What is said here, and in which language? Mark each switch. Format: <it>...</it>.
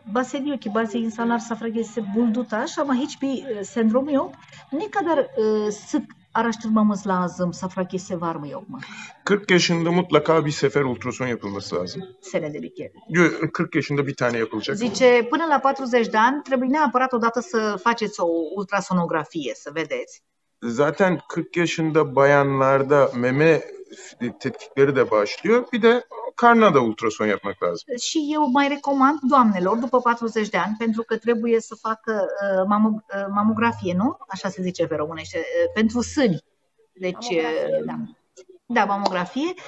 <tr>Base de ochi, base insanar, să fragese buldutaș, am aici pe sindromul eu, nică dar să araştırmamız lazım, să fragese varmă eu. 40 yaşında mutlaka bir sefer ultrason yapılması lazım. Senede bir kere. 40 yaşında bir tane yapılacak.</tr> <ro>Zice, până la 40 de ani trebuie neapărat odată să faceți o ultrasonografie, să vedeți.</ro> <tr>Zaten 40 yaşında bayanlarda meme tetkikleri de başlıyor. Bir de karnına da ultrason yapmak lazım.</tr> <ro>Și eu mai recomand doamnelor după 40 de ani, pentru că trebuie să facă mamografie, nu? Așa se zice pe românește, pentru sâni. Deci, da, mamografie.</ro>